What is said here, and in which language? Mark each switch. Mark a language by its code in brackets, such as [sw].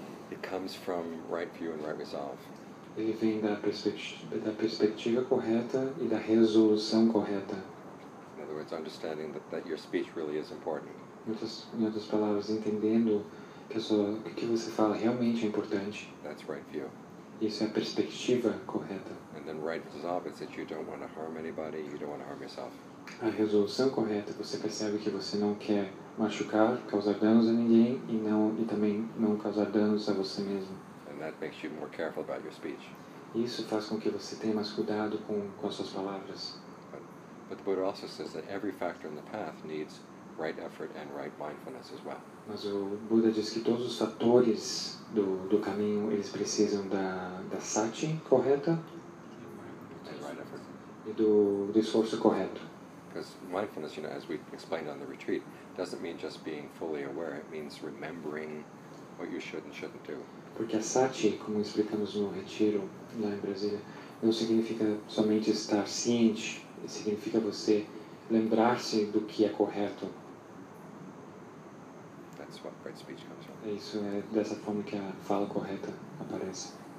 [en] It comes from right view and right resolve. [pt] Ele vem da perspectiva correta e da resolução correta. [en] In other words, understanding that your speech really is important. [pt] Em outras palavras, entendendo que o que você fala realmente é importante. [en] That's right view. [pt] Isso é a perspectiva correta. [en] And then right resolve is that you don't want to harm anybody, you don't want to harm yourself. [pt] A resolução correta, você percebe que você não quer machucar, causar danos a ninguém e também não causar danos a você mesmo. [en] And that makes you more careful about your speech. [pt] Isso faz com que você tenha mais cuidado com as suas palavras. [en] But the Buddha also says that every factor in the path needs right effort and right mindfulness as well. [pt] Mas o Buda diz que todos os fatores do caminho, eles precisam da sati correta e do esforço correto. [en] Because mindfulness, you know, as we explained on the retreat, doesn't mean just being fully aware, it means remembering what you should and shouldn't do. [pt] Porque a sati, como explicamos no retiro lá em Brasília, não significa somente estar ciente, significa você lembrar-se do que é correto. [en] That's what right speech comes from. [pt] Isso é dessa forma que a fala correta aparece.